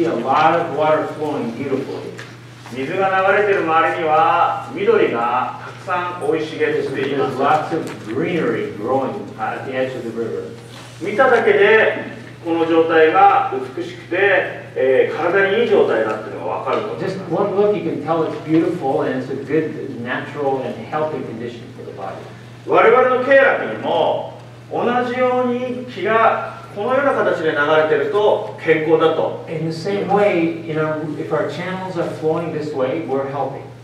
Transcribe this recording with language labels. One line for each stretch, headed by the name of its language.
English: You can see a lot of water flowing beautifully.
Japanese: 水が流れている周りには緑がたくさん生い茂っています。
English: There's lots of greenery growing at the edge of the river.
Japanese: 見ただけでこの状態が美しくて、体にいい状態だっていうのが分かると思います。
English: Just one look you can tell it's beautiful and it's a goodnatural and healthy condition for the body.
Japanese: 我々の経絡にも同じように気がこのような形で流れていると健康だと。
English: In the same way, you know, if our channels are flowing this way, we're healthy.